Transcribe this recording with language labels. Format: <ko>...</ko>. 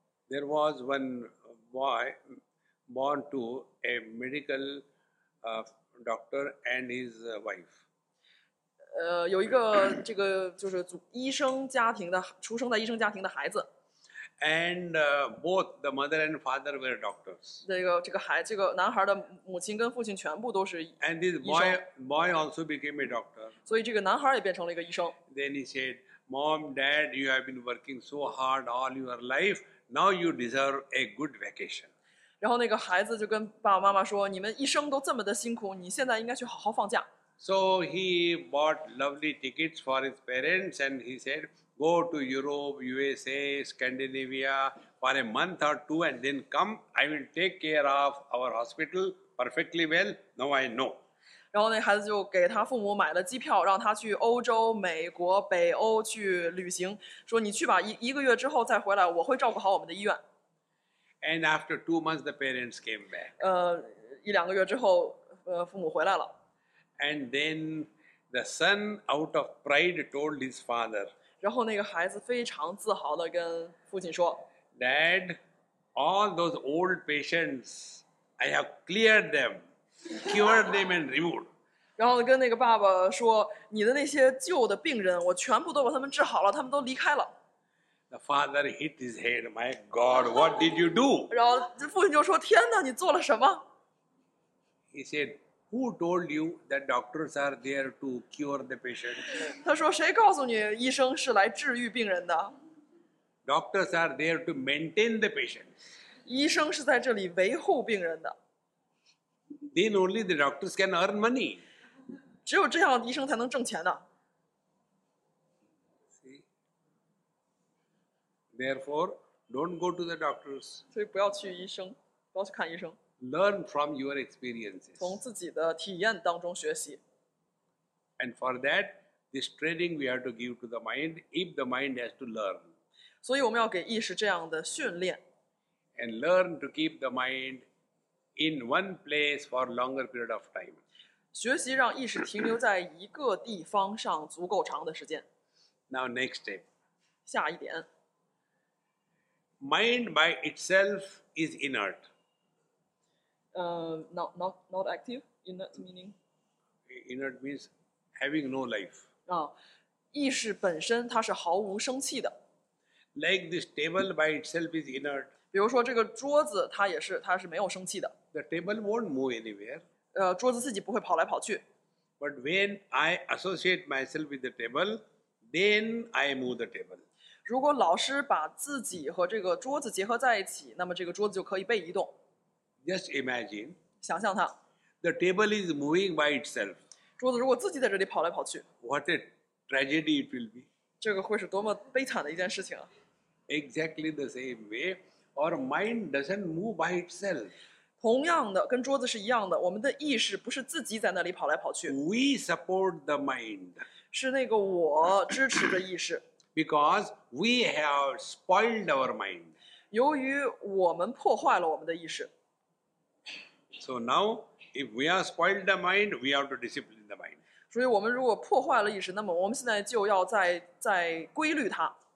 <en>There was one boy born to a medical doctor and his wife.</en> <zh>有一个这个就是医生家庭的出生在医生家庭的孩子。</zh> <en>And both the mother and father were doctors.</en> <zh>这个男孩的母亲跟父亲全部都是医生。</zh> <en>And this boy also became a doctor.</en> <zh>所以这个男孩也变成了一个医生。</zh> <en>Then he said, "Mom, Dad, you have been working so hard all your life. Now you deserve a good vacation."</en> <zh>然后那个孩子就跟爸爸妈妈说：“你们一生都这么的辛苦，你现在应该去好好放假。”</zh> <en>So he bought lovely tickets for his parents, and he said. Go to Europe, USA, Scandinavia for a month or two and then come. I will take care of our hospital perfectly well. Now I know.</en> <zh>然后那孩子就给他父母买了机票，让他去欧洲、美国、北欧去旅行。说你去吧，一个月之后再回来，我会照顾好我们的医院。</zh> <en>And after 2 months, the parents came back.</en> <zh>一两个月之后，父母回来了。</zh> <en>And then the son, out of pride, told his father.</en> <zh>然后那个孩子非常自豪地跟父亲说</zh> <en>：“Dad, all those old patients, I have cleared them, cured them and removed。”</en> <zh>然后跟那个爸爸说：“你的那些旧的病人，我全部都把他们治好了，他们都离开了。</zh> <en>”The father hit his head. My God, what did you do?</en> <zh>然后父亲就说：“天哪，你做了什么</zh> <en>？”He said. Who told you that doctors are there to cure the patient?</en> <zh>他说谁告诉你医生是来治愈病人的</zh> <en>？Doctors are there to maintain the patient.</en> <zh>医生是在这里维护病人的。</zh> <en>Then only the doctors can earn money.</en> <zh>只有这样医生才能挣钱的。</zh> <en>See? Therefore, don't go to the doctors.</en> <zh>所以不要去医生，不要去看医生。</zh> <en>Learn from your experiences.</en> <zh>从自己的体验当中学习。</zh> <en>And for that, this training we have to give to the mind if the mind has to learn.</en> <zh>所以我们要给意识这样的训练。</zh> <en>And learn to keep the mind in one place for a longer period of time.</en> <zh>学习让意识停留在一个地方上足够长的时间。</zh> <en>Now next step.</en> <zh>下一点。</zh> <en>Mind by itself is inert. Not active. Inert meaning? Inert means having no life.</en> <zh>意识本身它是毫无生气的。</zh> <en>Like this table by itself is inert.</en> <zh>比如说这个桌子它也是它是没有生气的。</zh> <en>The table won't move anywhere.</en> <zh>桌子自己不会跑来跑去。</zh> <en>But when I associate myself with the table, then I move the table.</en> <zh>如果老师把自己和这个桌子结合在一起，那么这个桌子就可以被移动。</zh> <en>Just imagine.</en> <zh>想象它。</zh> <en>The table is moving by itself.</en> <zh>桌子如果自己在这里跑来跑去。</zh> <en>What a tragedy it will be.</en> <zh>这个会是多么悲惨的一件事情啊。</zh> <en>Exactly the same way. Our mind doesn't move by itself.</en> <zh>同样的，跟桌子是一样的，我们的意识不是自己在那里跑来跑去。</zh> <en>We support the mind.</en> <zh>是那个我支持着意识。</zh> <en>Because we have spoiled our mind.</en> <zh>由于我们破坏了我们的意识。</zh> <en>So now, if we have spoiled the mind, we have to discipline the mind.</en> <zh>所以我们如果破坏了意识，那么我们现在就要再规律它。</zh>